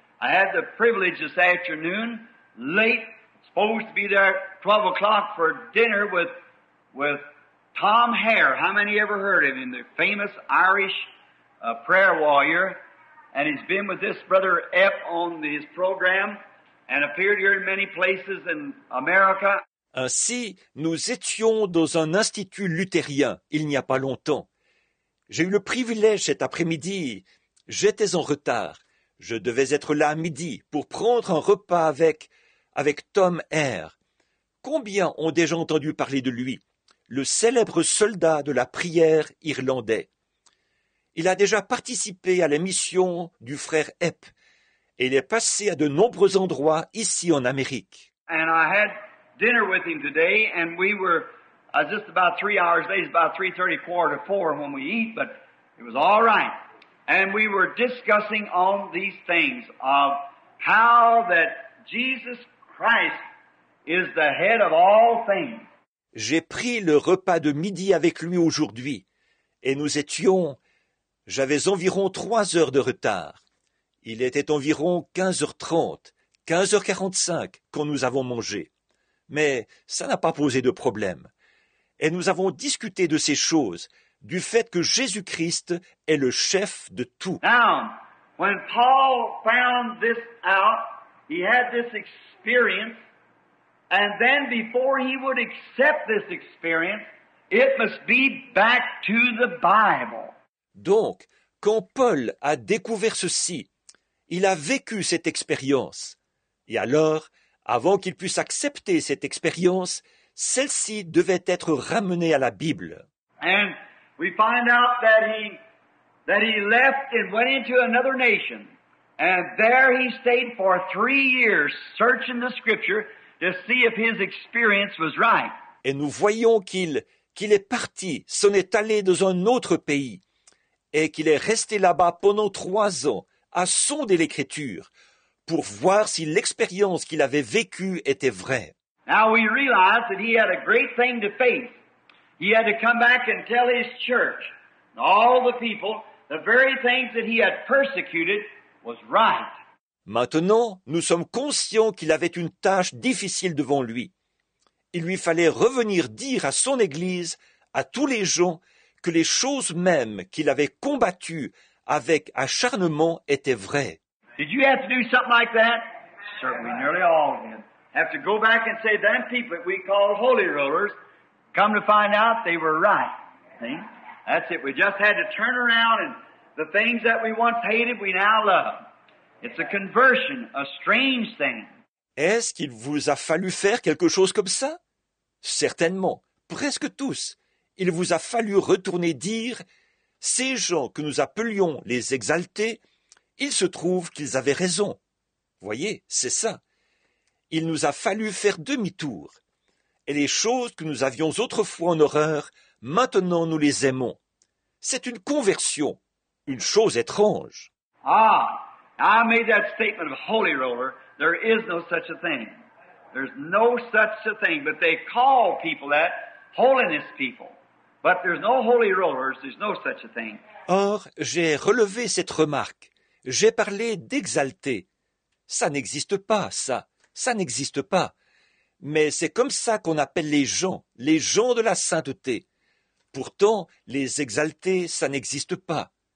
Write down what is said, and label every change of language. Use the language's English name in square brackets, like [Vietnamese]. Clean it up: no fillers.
[English] I had the privilege this afternoon, late, supposed to be there at 12 o'clock for dinner with Tom Hare. How many ever heard of him? The famous Irish prayer warrior. And he's been with this brother Epp on his program and appeared here in many places in America. [French] Ainsi, nous étions dans un institut luthérien il n'y a pas longtemps. J'ai eu le privilège cet après-midi. J'étais en retard. Je devais être là à midi pour prendre un repas avec Tom Hare. Combien ont déjà entendu parler de lui? Le célèbre soldat de la prière irlandais. Il a déjà participé à la mission du frère Epp et il est passé à de nombreux endroits ici en Amérique. [English] And I had dinner with him today and we were just about 3 hours late, about 3:30, 4 to 4 when we eat, but it was all right. And we were discussing on these things of how that Jesus Christ is the head of all things. [French] J'ai pris le repas de midi avec lui aujourd'hui et nous étions... J'avais environ 3 heures de retard. Il était environ 15h30, 15h45 quand nous avons mangé. Mais ça n'a pas posé de problème. Et nous avons discuté de ces choses, du fait que Jésus-Christ est le chef de tout. [English] Now, when Paul found this out, he had this experience, and then before he would accept this experience, it must be back to the Bible. [French] Donc, quand Paul a découvert ceci, il a vécu cette expérience. Et alors, avant qu'il puisse accepter cette expérience, celle-ci devait être ramenée à la Bible. [English] And we find out that he left and went into another nation. And there he stayed for 3 years searching the scripture to see if his experience was right. [French] Et nous voyons qu'il est parti, s'en est allé dans un autre pays. Et qu'il est resté là-bas pendant 3 ans à sonder l'Écriture pour voir si l'expérience qu'il avait vécue était vraie. [English] Now we realize that he had a great thing to face. He had to come back and tell his church, and all the people, the very things that he had persecuted was right. [French] Maintenant, nous sommes conscients qu'il avait une tâche difficile devant lui. Il lui fallait revenir dire à son Église, à tous les gens, que les choses mêmes qu'il avait combattues avec acharnement étaient vraies. [English] Did you have to do something like that? Certainly, nearly all of them have to go back and say them people that we call holy rollers come to find out they were right. See? That's it. We just had to turn around and the things that we once hated, we now love. It's a conversion, a strange thing. [French] Est-ce qu'il vous a fallu faire quelque chose comme ça? Certainement, presque tous. Il vous a fallu retourner dire « Ces gens que nous appelions les exaltés, il se trouve qu'ils avaient raison. » Voyez, c'est ça. Il nous a fallu faire demi-tour. Et les choses que nous avions autrefois en horreur, maintenant nous les aimons. C'est une conversion, une chose étrange. [English] Ah, I made that statement of holy roller. There is no such a thing. There's no such a thing. But they call people that holiness people. But there's no holy rollers, there's no such a thing. [French] Or, j'ai relevé cette remarque. J'ai parlé d'exalter. Ça n'existe pas, ça. Ça n'existe pas. Mais c'est comme ça qu'on appelle les gens de la sainteté. Pourtant, les exaltés, ça n'existe pas.